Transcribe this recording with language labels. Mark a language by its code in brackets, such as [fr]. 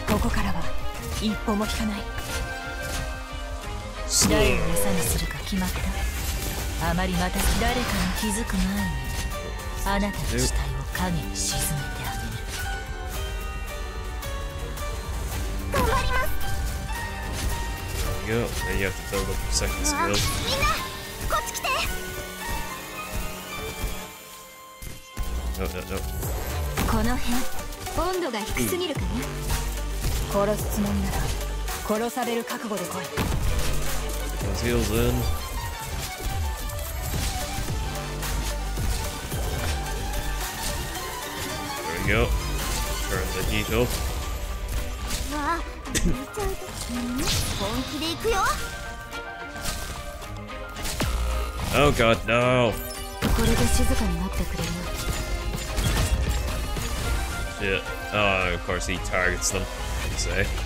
[ja] ここからは一歩も引かない。誰を餌にするか決まった。あまりまた誰かに気づく前に、あなたの死体を影に沈めてあげる。頑張ります。 [en] There you go. Then you have to build up your second skill. No. [ja] この辺温度が低すぎるかな。殺すつもりなら殺される覚悟で来 [en] い。Heals in. There we go. Turn the heat up. [ja] わあ、めっちゃ本気で行くよ。 [en] Oh God, no. [ja] これで静かになってくれる。 [en] Yeah. Oh, of course he targets them, you say.